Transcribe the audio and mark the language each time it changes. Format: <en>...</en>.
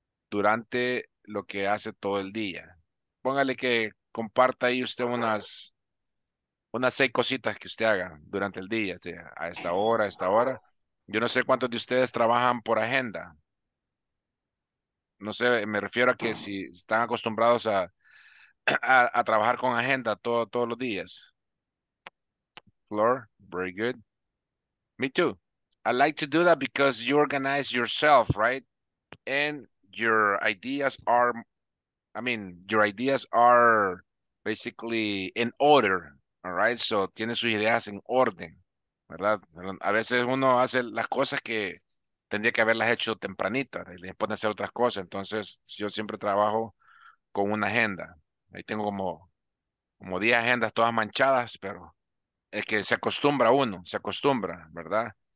<es>Durante lo que hace todo el día. Póngale que comparta ahí usted unas 6 cositas que usted haga durante el día, a esta hora. Yo no sé cuántos de ustedes trabajan por agenda. No sé, me refiero a que si están acostumbrados a trabajar con agenda todos los días.</es> <en>Flor, very good. Me too. I like to do that because you organize yourself, right? And your ideas are basically in order, all right?</en> <es>So tiene sus ideas en orden, ¿verdad? A veces uno hace las cosas que tendría que haberlas hecho tempranito, le pueden hacer otras cosas. Entonces, yo siempre trabajo con una agenda. Ahí tengo como 10 agendas todas manchadas, pero es que se acostumbra, ¿verdad?</es>